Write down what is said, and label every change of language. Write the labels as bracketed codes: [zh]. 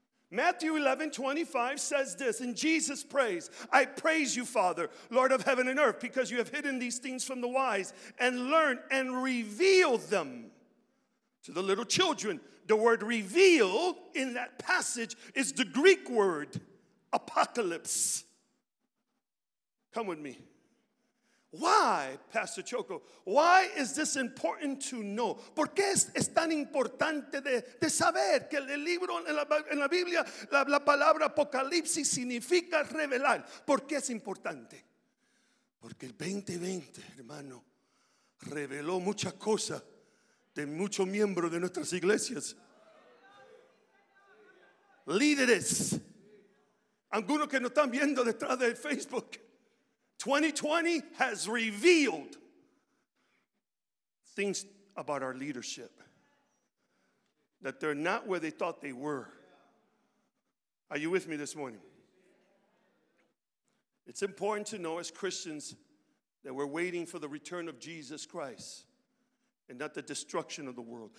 [en] Matthew 11, 25 says this, and Jesus prays, I praise you, Father, Lord of heaven and earth, because you have hidden these things from the wise and learned and revealed them to the little children. The word reveal in that passage is the Greek word apocalypse. Come with me. Why, Pastor Choco, why is this important to know? [es] ¿Por qué es tan importante de saber que el libro en la Biblia, la palabra apocalipsis significa revelar? ¿Por qué es importante? Porque el 2020, hermano, reveló muchas cosas de muchos miembros de nuestras iglesias. Líderes, algunos que nos están viendo detrás de Facebook. [en] 2020 has revealed things about our leadership, that they're not where they thought they were. Are you with me this morning? It's important to know as Christians that we're waiting for the return of Jesus Christ and not the destruction of the world.